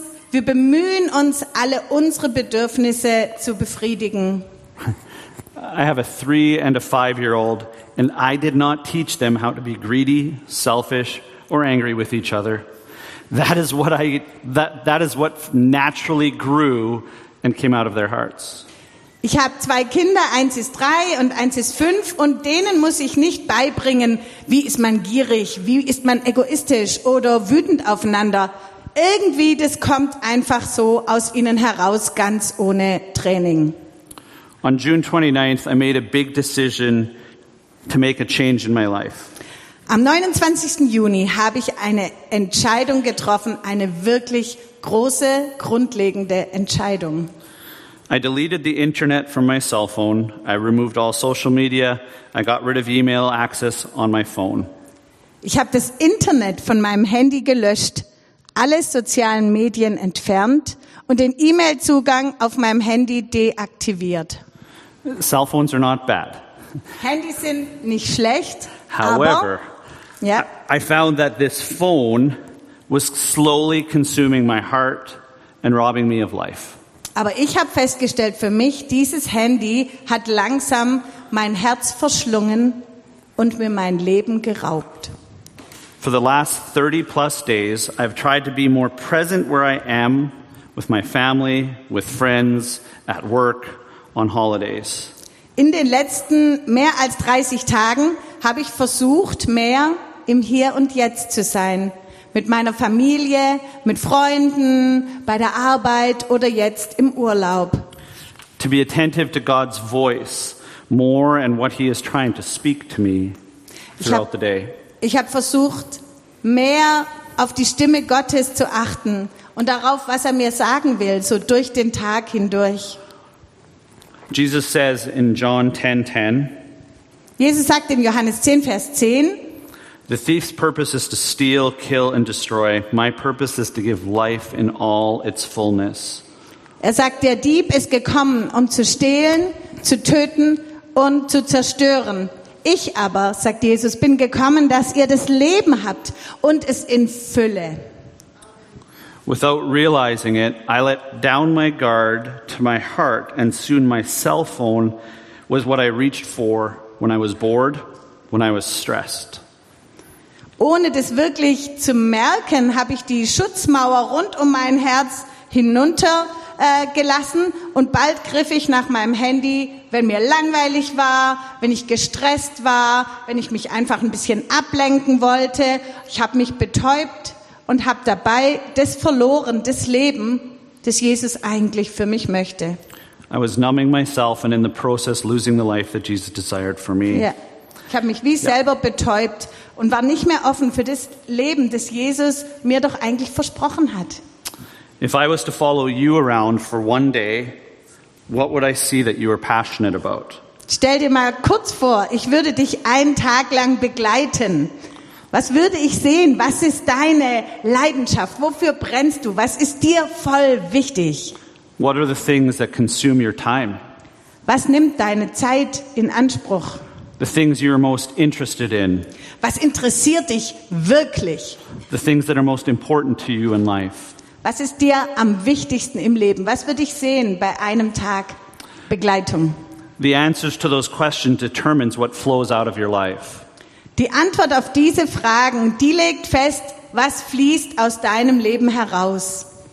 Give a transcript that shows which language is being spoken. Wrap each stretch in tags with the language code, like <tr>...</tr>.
<de>Wir bemühen uns, alle unsere Bedürfnisse zu befriedigen.</de> <en>I have a 3- and a 5-year-old, and I did not teach them how to be greedy, selfish, or angry with each other. That is what naturally grew and came out of their hearts.</en> <de>Ich habe 2 Kinder, 1 ist 3 und 1 ist 5, und denen muss ich nicht beibringen, wie ist man gierig, wie ist man egoistisch oder wütend aufeinander. Irgendwie, das kommt einfach so aus ihnen heraus, ganz ohne Training.</de> <en>On June 29th, I made a big decision to make a change in my life.</en> <de>Am 29. Juni habe ich eine Entscheidung getroffen, eine wirklich große, grundlegende Entscheidung.</de> <en>I deleted the internet from my cell phone. I removed all social media. I got rid of email access on my phone.</en> <de>Ich habe das Internet von meinem Handy gelöscht, alle sozialen Medien entfernt und den E-Mail-Zugang auf meinem Handy deaktiviert.</de> <en>Cell phones are not bad.</en> <de>Handys sind nicht schlecht.</de> <en>However,</en> <de>aber,</de> <en>yeah. I found that this phone was slowly consuming my heart and robbing me of life.</en> <de>Aber ich habe festgestellt für mich, dieses Handy hat langsam mein Herz verschlungen und mir mein Leben geraubt.</de> <en>For the last 30 plus days, I've tried to be more present where I am, with my family, with friends, at work, on holidays.</en> <de>In den letzten mehr als 30 Tagen habe ich versucht, mehr im Hier und Jetzt zu sein. Mit meiner Familie, mit Freunden, bei der Arbeit oder jetzt im Urlaub.</de> <en>To be attentive to God's voice more and what he is trying to speak to me throughout the day.</en> <de>Ich habe versucht, mehr auf die Stimme Gottes zu achten und darauf, was er mir sagen will, so durch den Tag hindurch.</de> <en>Jesus says in John 10:10.</en> <de>Jesus sagt in Johannes 10, Vers 10.</de> <en>The thief's purpose is to steal, kill and destroy. My purpose is to give life in all its fullness.</en> <de>Er sagt, der Dieb ist gekommen, um zu stehlen, zu töten und zu zerstören. Ich aber, sagt Jesus, bin gekommen, dass ihr das Leben habt und es in Fülle.</de> <en>Without realizing it, I let down my guard to my heart, and soon my cell phone was what I reached for when I was bored, when I was stressed.</en> <de>Ohne das wirklich zu merken, habe ich die Schutzmauer rund um mein Herz hinuntergelassen und bald griff ich nach meinem Handy, wenn mir langweilig war, wenn ich gestresst war, wenn ich mich einfach ein bisschen ablenken wollte. Ich habe mich betäubt und habe dabei das verloren, das Leben, das Jesus eigentlich für mich möchte.</de> <en>I was numbing myself and in the process losing the life that Jesus desired for me. Yeah.</en> <de>Ich habe mich wie selber betäubt und war nicht mehr offen für das Leben, das Jesus mir doch eigentlich versprochen hat.</de> <en>If I was to follow you around for one day, what would I see that you are passionate about?</en> <de>Stell dir mal kurz vor, ich würde dich einen Tag lang begleiten. Was würde ich sehen? Was ist deine Leidenschaft? Wofür brennst du? Was ist dir voll wichtig?</de> <en>What are the things that consume your time?</en> <de>Was nimmt deine Zeit in Anspruch?</de> <en>The things you are most interested in.</en> <de>Was interessiert dich wirklich?</de> <en>The things that are most important to you in life.</en> <de>Was ist dir am wichtigsten im Leben? Was würde ich sehen bei einem Tag Begleitung?</de> <en>The answers to those questions determines what flows out of your life.</en> <de>Die Antwort auf diese Fragen, die legt fest, was fließt aus deinem Leben heraus.</de>